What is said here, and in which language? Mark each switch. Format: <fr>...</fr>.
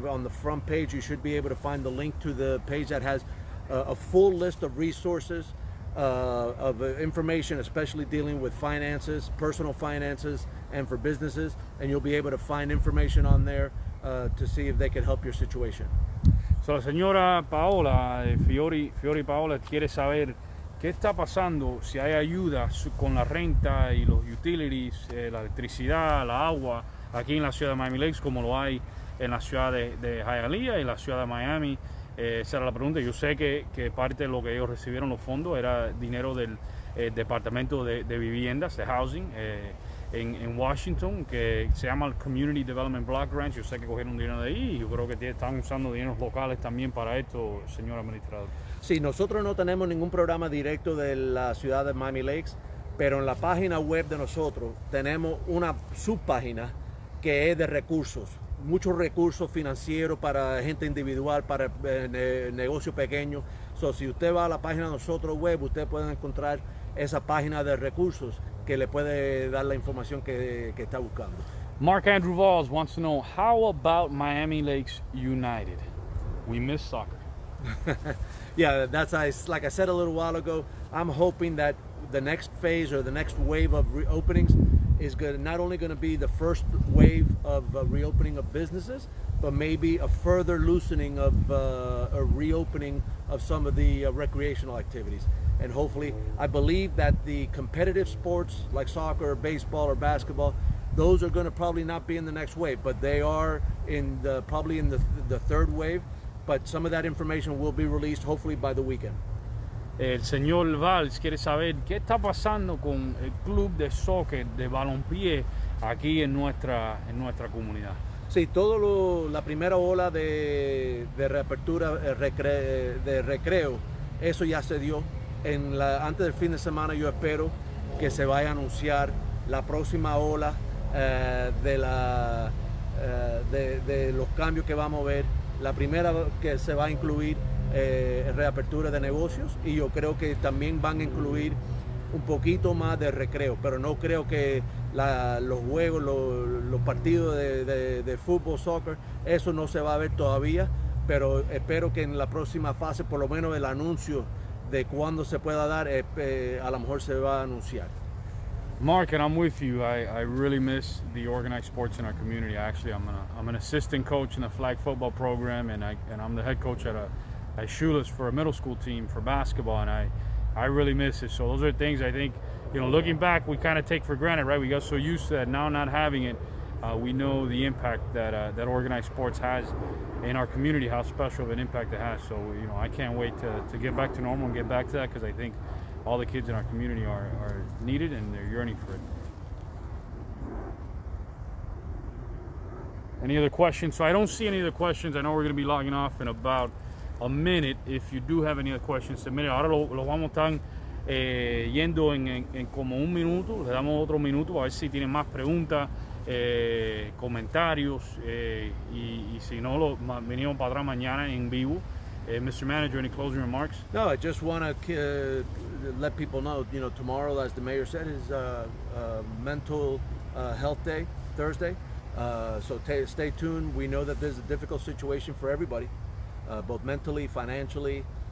<en>On the front page, you should be able to find the link to the page that has a full list of resources, of information, especially dealing with finances, personal finances, and for businesses. And you'll be able to find information on there to see if they can help your situation.</en> <es>So, señora Paola, Fiori Paola, quiere saber qué está pasando, si hay ayuda con la renta y los utilities, la electricidad, la agua, aquí en la ciudad de Miami Lakes, como lo hay en la ciudad de Hialeah y la ciudad de Miami. Esa era la pregunta. Yo sé que parte de lo que ellos recibieron, los fondos, era dinero del Departamento de Viviendas, de Housing, en Washington, que se llama el Community Development Block Grant. Yo sé que cogieron dinero de ahí, y yo creo que están usando dineros locales también para esto, señor administrador. Sí, nosotros no tenemos ningún programa directo de la ciudad de Miami Lakes, pero en la página web de nosotros tenemos una subpágina que es de recursos, muchos recursos financieros para gente individual, para negocios pequeños. So, si usted va a la página de nosotros web, usted puede encontrar esa página de recursos que le puede dar la información que está buscando.</es> <en>Mark Andrew Valls wants to know, how about Miami Lakes United? We miss soccer. Yeah, that's like I said a little while ago, I'm hoping that the next phase or the next wave of reopenings is good, not only going to be the first wave of reopening of businesses, but maybe a further loosening of a reopening of some of the recreational activities. And hopefully, I believe that the competitive sports like soccer or baseball or basketball, those are going to probably not be in the next wave, but they are probably in the third wave. But some of that information will be released hopefully by the weekend.</en> <es>El señor Valls quiere saber qué está pasando con el club de soccer de balompié aquí en nuestra comunidad. Sí, todo la primera ola de reapertura de recreo, eso ya se dio. Antes del fin de semana yo espero que se vaya a anunciar la próxima ola de los cambios que vamos a ver. La primera que se va a incluir reapertura de negocios, y yo creo que también van a incluir un poquito más de recreo, pero no creo que los juegos, los partidos de fútbol, soccer, eso no se va a ver todavía, pero espero que en la próxima fase, por lo menos el anuncio de cuándo se pueda dar, a lo mejor se va a anunciar.</es> <en>Mark, and I'm with you. I really miss the organized sports in our community. Actually, I'm an assistant coach in the flag football program, and I'm the head coach at Shula's for a middle school team for basketball, and I really miss it. So those are things I think, you know, looking back, we kind of take for granted, right? We got so used to that. Now not having it, we know the impact that organized sports has in our community, how special of an impact it has. So, you know, I can't wait to get back to normal and get back to that, because I think all the kids in our community are needed, and they're yearning for it. Any other questions? So I don't see any other questions. I know we're going to be logging off in about a minute. If you do have any other questions, submit it.</en> <es>Ahora lo vamos a estar yendo en como un minuto. Le damos otro minuto a ver si tienen más preguntas, comentarios, y si no, lo venimos para atrás mañana en vivo.</es> <en>Mr. Manager, any closing remarks? No, I just want to let people know, you know, tomorrow, as the mayor said, is mental health day, Thursday. So stay tuned. We know that this is a difficult situation for everybody, both mentally, financially.</en>